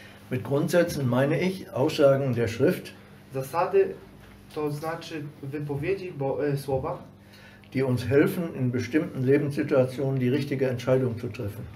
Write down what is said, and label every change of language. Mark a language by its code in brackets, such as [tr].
[de] Mit Grundsätzen meine ich Aussagen der Schrift. [pl] Zasady to znaczy wypowiedzi, bo słowa, [de] die uns helfen in bestimmten Lebenssituationen die richtige Entscheidung zu treffen.